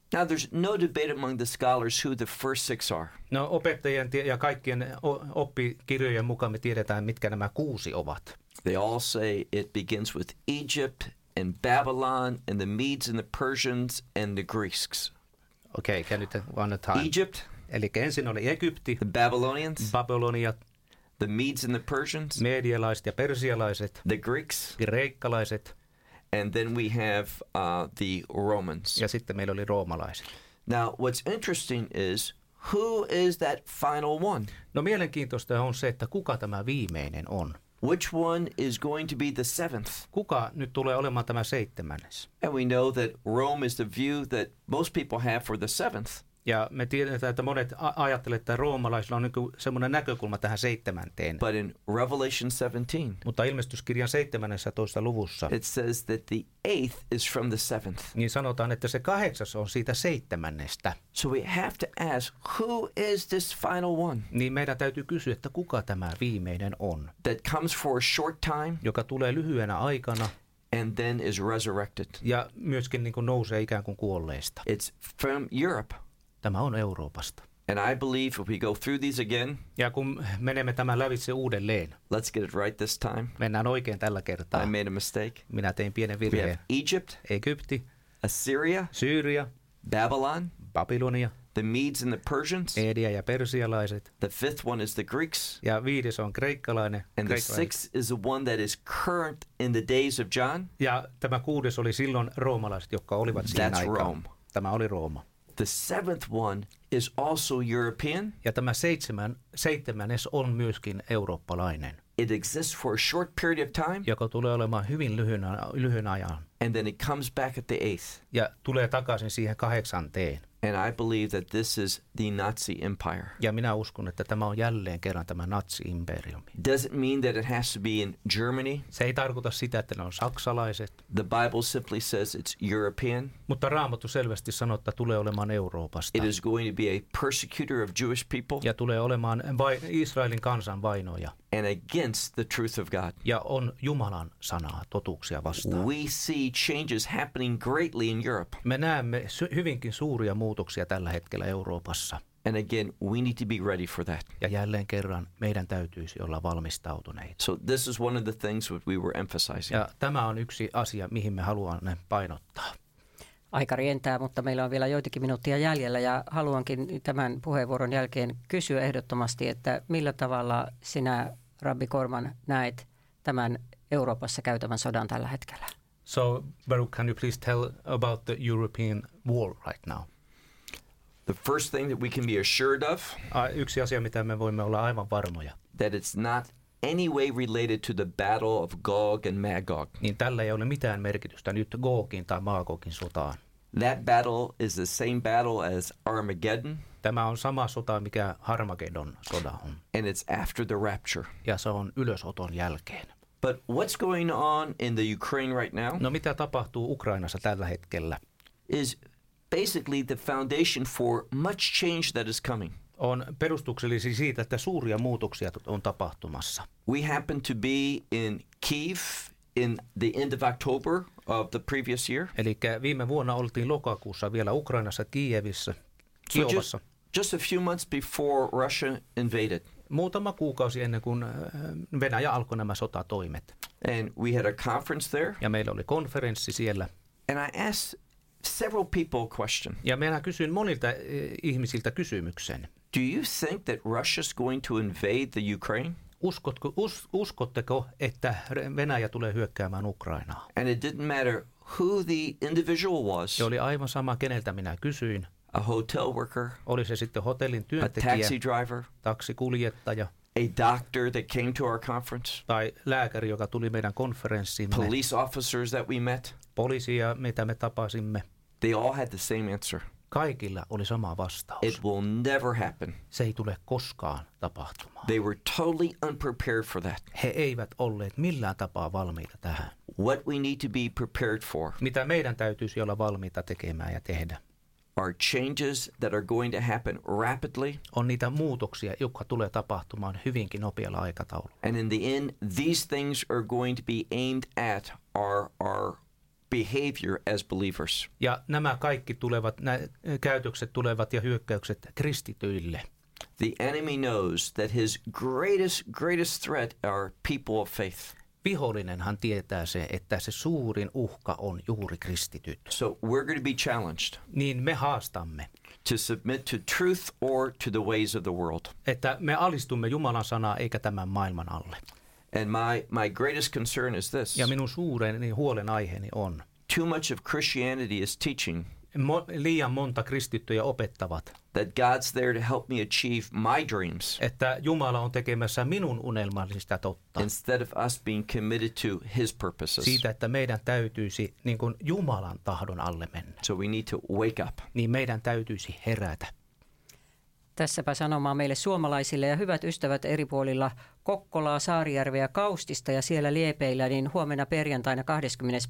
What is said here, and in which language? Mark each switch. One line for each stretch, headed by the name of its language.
English: Now there's no debate among the scholars who the first 6 are.
Finnish: No opettajien ja kaikkien oppikirjojen mukaan me tiedetään mitkä nämä 6 ovat.
English: They all say it begins with Egypt and Babylon and the Medes and the Persians and the Greeks. Okay, can you take one at a time? Egypt.
Finnish: Eli ensin oli Egypti.
English: The Babylonians.
Finnish: Babyloniat.
English: The Medes and the Persians.
Finnish: Medialaiset ja persialaiset.
English: The Greeks.
Finnish: Kreikkalaiset.
English: And then we have the Romans.
Finnish: Ja sitten meillä oli roomalaiset.
English: Now what's interesting is who is that final one?
Finnish: No mielenkiintoista on se, että kuka tämä viimeinen on.
English: Which one is going to be the seventh?
Finnish: Kuka nyt tulee olemaan tämä 7.
English: And we know that Rome is the view that most people have for the seventh.
Finnish: Ja me tiedetään, että monet ajattelevat, että roomalaisilla on niin kuin semmoinen näkökulma tähän 7.
English: But in Revelation 17.
Finnish: Mutta ilmestyskirjan 17. luvussa.
English: It says that the eighth is from the seventh.
Finnish: Niin sanotaan, että se 8. on siitä 7.
English: So we have to ask, who is this final one?
Finnish: Niin meidän täytyy kysyä, että kuka tämä viimeinen on?
English: That comes for a short time.
Finnish: Joka tulee lyhyenä aikana.
English: And then is resurrected.
Finnish: Ja myöskin niin kuin nousee ikään kuin kuolleista.
English: It's from Europe.
Finnish: Tämä on Euroopasta.
English: And I believe if we go through these again,
Finnish: ja kun menemme tämän lävitse uudelleen,
English: let's get it right this time.
Finnish: Mennään oikein tällä kertaa.
English: I made a mistake.
Finnish: Minä tein pienen virheen.
English: We have Egypt,
Finnish: Egypti,
English: Assyria,
Finnish: Syyria,
English: Babylon,
Finnish: Babylonia,
English: the Medes and the Persians,
Finnish: Media ja persialaiset,
English: the fifth one is the Greeks,
Finnish: ja viides on kreikkalainen,
English: and the sixth is the one that is current in the days of John,
Finnish: ja tämä kuudes oli silloin roomalaiset, jotka olivat siinä aikaan.
English: That's Rome.
Finnish: Tämä oli Rooma.
English: The seventh one is also European,
Finnish: ja tämä seitsemännes on myöskin eurooppalainen.
English: It exists for a short period of time,
Finnish: joka tulee olemaan hyvin lyhyen ajan,
English: and then it comes back at the eighth,
Finnish: ja tulee takaisin siihen kahdeksanteen.
English: And I believe that this is the Nazi empire.
Finnish: Ja minä uskon, että tämä on jälleen kerran tämä natsi-imperiumi.
English: Does it mean that it has to be in Germany?
Finnish: Se ei tarkoita sitä, että ne on saksalaiset.
English: The Bible simply says it's European.
Finnish: Mutta Raamattu selvästi sanoo, että tulee olemaan Euroopasta.
English: It is going to be a persecutor of Jewish people.
Finnish: Ja tulee olemaan Israelin kansan vainoja.
English: And against the truth of God.
Finnish: Ja on Jumalan sanaa totuuksia vastaan.
English: We see changes happening greatly in Europe.
Finnish: Me näemme hyvinkin suuria muutoksia tällä hetkellä Euroopassa.
English: And again, we need to be ready for that.
Finnish: Ja jälleen kerran meidän täytyisi olla valmistautuneita.
English: So this is one of the things that we were emphasizing.
Finnish: Ja tämä on yksi asia, mihin me haluamme painottaa. Aika rientää, mutta meillä on vielä joitakin minuuttia jäljellä ja haluankin tämän puheenvuoron jälkeen kysyä ehdottomasti, että millä tavalla sinä, Rabbi Korman, näet tämän Euroopassa käytävän sodan tällä hetkellä?
English: So, Baruch, can you please tell about the European war right now? The first thing that we can be assured of,
Finnish: yksi asia, mitä me voimme olla aivan varmoja,
English: that it's not any way related to the battle of Gog and Magog.
Finnish: Niin tällä ei ole mitään merkitystä nyt Gogin tai Magogin sotaan.
English: That battle is the same battle as Armageddon.
Finnish: Tämä on sama sota, mikä Armageddon sota on.
English: And it's after the rapture.
Finnish: Ja se on ylösoton jälkeen.
English: But what's going on in the Ukraine right now?
Finnish: No mitä tapahtuu Ukrainassa tällä hetkellä?
English: Is basically the foundation for much change that is coming.
Finnish: On perustuksellisesti siitä, että suuria muutoksia on tapahtumassa.
English: We happen to be in Kyiv in the end of October of the previous year.
Finnish: Eli viime vuonna oltiin lokakuussa vielä Ukrainassa Kiievissä, Kiovassa.
English: So just a few months before Russia invaded.
Finnish: Muutama kuukausi ennen kuin Venäjä alkoi nämä sotatoimet.
English: And we had a conference there.
Finnish: Ja meillä oli konferenssi siellä.
English: And I asked several people question.
Finnish: Ja minä kysyin monilta ihmisiltä kysymyksen.
English: Do you think that Russia's going to invade the Ukraine?
Finnish: Uskotteko, että Venäjä tulee hyökkäämään Ukrainaa?
English: And it didn't matter who the individual was.
Finnish: Se oli aivan sama, keneltä minä kysyin.
English: A hotel worker.
Finnish: Oli se sitten hotellin työntekijä.
English: A taxi driver.
Finnish: Taksikuljettaja.
English: A doctor that came to our conference.
Finnish: Tai lääkäri, joka tuli meidän konferenssiimme.
English: Police officers that we met.
Finnish: Poliisia, mitä me tapasimme.
English: They all had the same answer.
Finnish: Kaikilla oli sama vastaus.
English: It will never happen.
Finnish: Se ei tule koskaan tapahtumaan.
English: They were totally unprepared for that.
Finnish: He eivät olleet millään tapaa valmiita tähän.
English: What we need to be prepared for.
Finnish: Mitä meidän täytyisi olla valmiita tekemään ja tehdä.
English: Are changes that are going to happen rapidly.
Finnish: On niitä muutoksia, jotka tulee tapahtumaan hyvinkin nopealla aikataululla.
English: And in the end, these things are going to be aimed at our behavior as believers.
Finnish: Ja nämä kaikki tulevat, nämä käytökset tulevat ja hyökkäykset kristityille.
English: The enemy knows that his greatest threat are people of faith.
Finnish: Vihollinenhan tietää se, että se suurin uhka on juuri kristityt.
English: So we're going to be challenged.
Finnish: Niin me haastamme.
English: To submit to truth or to the ways of the world.
Finnish: Että me alistumme Jumalan sanaa eikä tämän maailman alle.
English: And my greatest concern is this.
Finnish: Ja minun suuren huolenaiheeni on.
English: Too much of Christianity is teaching.
Finnish: Liian monta kristittyjä opettavat.
English: That God's there to help me achieve my dreams.
Finnish: Että Jumala on tekemässä minun unelmallista totta.
English: Instead of us being committed to his purposes.
Finnish: Siitä, että meidän täytyisi niin kuin Jumalan tahdon alle mennä.
English: So we need to wake up.
Finnish: Niin meidän täytyisi herätä. Tässäpä sanomaan meille suomalaisille ja hyvät ystävät eri puolilla Kokkolaa, Saarijärveä, Kaustista ja siellä Liepeillä, niin huomenna perjantaina 20.